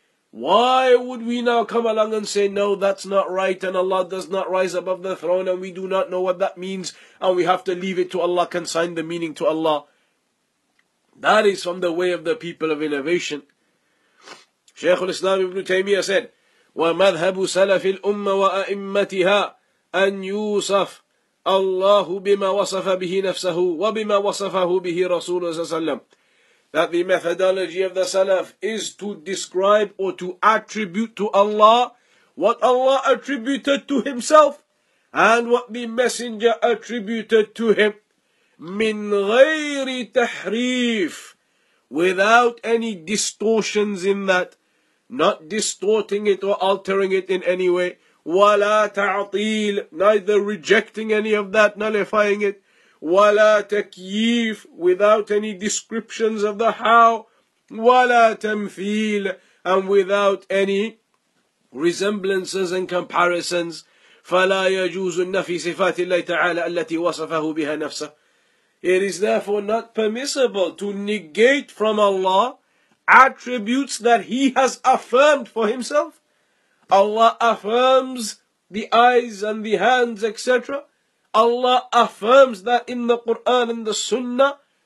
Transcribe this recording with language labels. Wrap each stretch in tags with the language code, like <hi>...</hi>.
<en>Why would we now come along and say, no, that's not right, and Allah does not rise above the throne, and we do not know what that means, and we have to leave it to Allah, consign the meaning to Allah? That is from the way of the people of innovation. Shaykh al-Islam ibn Taymiyyah said,</en> <ar>ومذهب سلف الأمة وأئمتها أن يوصف الله بما وصف به نفسه وبما وصفه به رسول الله صلى الله عليه وسلم.</ar> <en>That the methodology of the Salaf is to describe or to attribute to Allah what Allah attributed to himself and what the Messenger attributed to him.</en> <ar>من غير تحريف,</ar> <en>without any distortions in that, not distorting it or altering it in any way.</en> <ar>ولا تعطيل,</ar> <en>neither rejecting any of that, nullifying it.</en> <ar>ولا تكييف,</ar> <en>without any descriptions of the how.</en> <ar>ولا تمثيل,</ar> <en>and without any resemblances and comparisons.</en> <ar>فلا يجوز النفي صفات الله تعالى التي وصفه بها نفسه.</ar> <en>It is therefore not permissible to negate from Allah attributes that He has affirmed for Himself. Allah affirms the eyes and the hands, etc. Allah affirms that in the Quran and the Sunnah.</en>